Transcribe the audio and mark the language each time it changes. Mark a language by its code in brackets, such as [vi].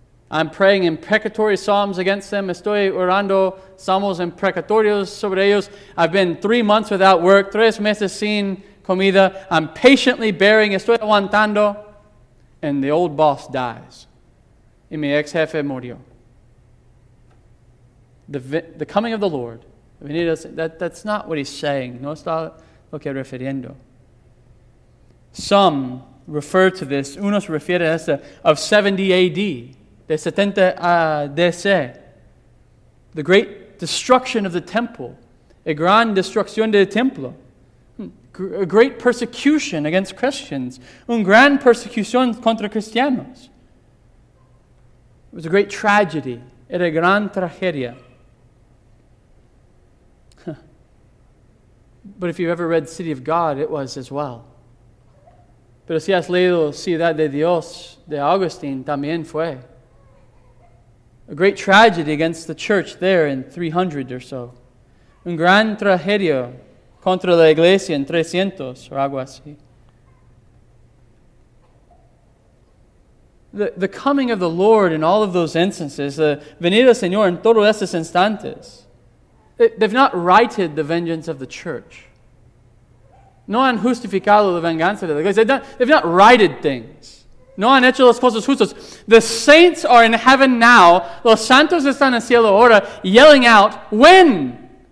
[en] I'm praying imprecatory psalms against them. [es] Estoy orando salmos imprecatorios sobre ellos. [en] I've been 3 months without work, [es] 3 meses sin comida. [en] I'm patiently bearing, [es] estoy aguantando. [en] And the old boss dies. [es] Y mi ex jefe murió. [en] The coming of the Lord. That's not what he's saying. [es] No está lo que refiriendo. [en] Some refer to this. [es] Uno se refiere a esta [en] of 70 A.D., [es] de 70 D.C., [en] the great destruction of the temple, [es] a gran destrucción del templo, [en] a great persecution against Christians, [es] un gran persecución contra cristianos. [en] It was a great tragedy, [es] era gran tragedia. [en] But if you've ever read City of God, it was as well. [es] Pero si has leído Ciudad de Dios de Agustín, también fue. [en] A great tragedy against the church there in 300 or so. [es] Un gran tragedio contra la iglesia en 300 or algo así. [en] The coming of the Lord in all of those instances, [es] the venida Señor en todos esos instantes, [en] they've not righted the vengeance of the church. [es] No han justificado la venganza de la iglesia. [en] They've not righted things. [es] No han hecho las cosas justas. [en] The saints are in heaven now. [es] Los santos están en cielo ahora, [en] yelling out, when?